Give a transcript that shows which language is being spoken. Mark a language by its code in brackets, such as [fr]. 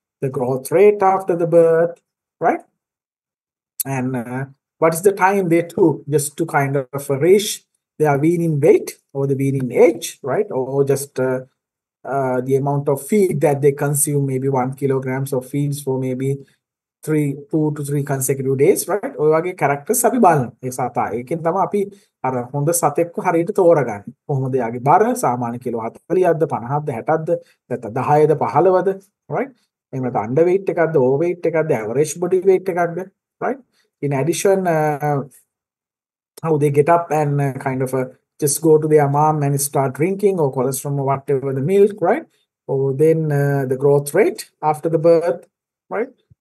[en] The growth rate after the birth, right? And what is the time they took just to kind of reach their weaning weight or the weaning age, right? Or just the amount of feed that they consume, maybe 1 kilograms of feeds for maybe 2 to 3 consecutive days, right? [si] ඔය වගේ characters අපි බලන ඒ සතා. ඒකෙන් තමයි අපි අර හොඳ සතෙක්ව හරියට තෝරගන්නේ. කොහොමද යාගේ බර සාමාන්‍ය කිලෝ 40ක්ද 50ක්ද 60ක්ද නැත්නම් 10ද 15ද, right? එහෙම නැත්නම් under weight එකක්ද, over weight එකක්ද, average body weight එකක්ද, right? [en] In addition how they get up and kind of just go to their mom and start drinking or colostrum or whatever the milk, right? Or then the growth rate after the birth, right?